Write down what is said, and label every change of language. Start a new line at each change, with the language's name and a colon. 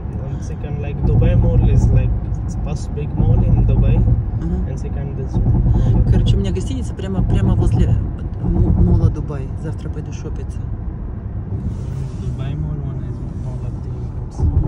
English: And second, like Dubai Mall is like it's first big mall in Dubai. Uh-huh. And second is Mall.
Russian: Короче, у меня гостиница прямо возле мола Дубай. Завтра пойду шопиться.
English: Dubai Mall one is Mall of the Emirates.